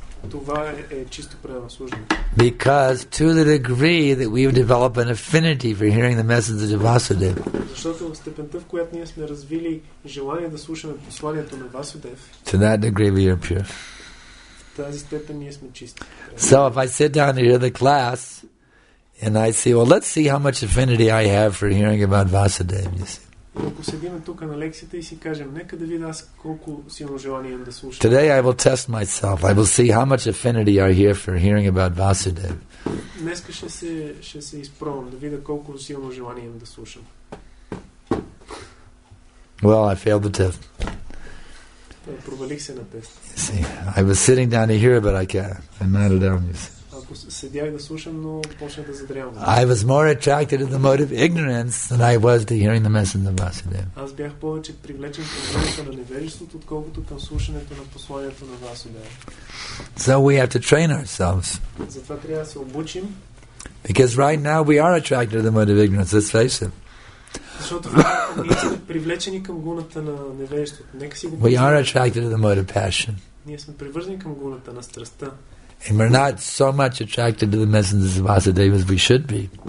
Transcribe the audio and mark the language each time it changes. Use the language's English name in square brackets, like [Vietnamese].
[Bulgarian] това е чисто преданост служение. [English] Because to the degree that we've developed an affinity for hearing the message of Vasudev. [Bulgarian] Защото в степента, в която ние сме развили желание да слушаме посланието на Васудев. [English] To that degree we are pure. [Bulgarian] В тази степен ние сме чисти. [English] So if I sit down here in the class and I say, well, let's see how much affinity I have for hearing about Vasudev, you see. [Bulgarian] Ако седим тук на лекцията и си кажем, нека да видя аз колко силно желание имам да слушам. [English] Today I will test myself. I will see how much affinity I have for hearing about Vasudev. [Bulgarian] Днес ще се изпробвам да видя колко силно желание имам да слушам. [English] Well, I failed the test. [Bulgarian] Провалих се на тест. [English] See, I was sitting down here, but I can't. I'm not alone, you see. [Bulgarian] Седях да слушам, но почнах да задрявам. [English] I was more attracted to the mode of ignorance than I was to hearing the message of Vasudev. [Bulgarian] Аз бях повече привлечен към мнението на невежеството, отколкото към слушането на посланието на Васудев. [English] So we have to train ourselves. [Bulgarian] Затова трябва да се обучим. [English] Because right now we are attracted to the mode of ignorance, let's face it. [Bulgarian] Защото ние сме привлечени към гуната на невежеството. Нека си го [English] We are attracted to the mode of passion. [Bulgarian] Ние сме привързани към гуната на страстта. [English] And we're not so much attracted to the messages of Vasudeva as we should be.